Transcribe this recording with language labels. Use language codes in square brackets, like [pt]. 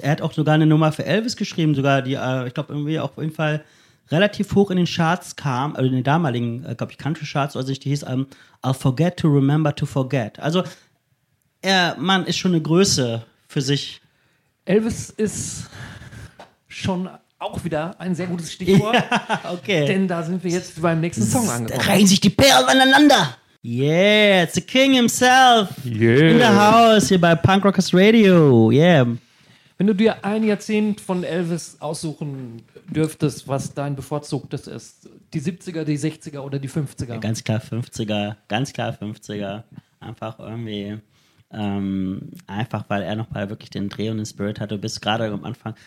[de] Er hat auch sogar eine Nummer für Elvis geschrieben, sogar die, ich glaube, irgendwie auch auf jeden Fall relativ hoch in den Charts kam, also in den damaligen, glaube ich, Country-Charts, also die hieß I'll Forget to Remember to Forget. Also, er, Mann, ist schon eine Größe für sich. Elvis ist schon auch wieder ein sehr gutes Stichwort. Ja, okay. Denn da sind wir jetzt beim nächsten Song angekommen. Da reihen sich die Perlen aneinander. [en] Yeah, it's the king himself. Yeah. In the house [de] hier bei [en] Punk Rockers Radio. Yeah. [de] Wenn du dir ein Jahrzehnt von Elvis aussuchen dürftest, was dein bevorzugtes ist, die 70er, die 60er oder die 50er? Ja, ganz klar 50er, ganz klar 50er. Einfach irgendwie, einfach weil er nochmal wirklich den Dreh und den Spirit hatte, bis gerade am Anfang.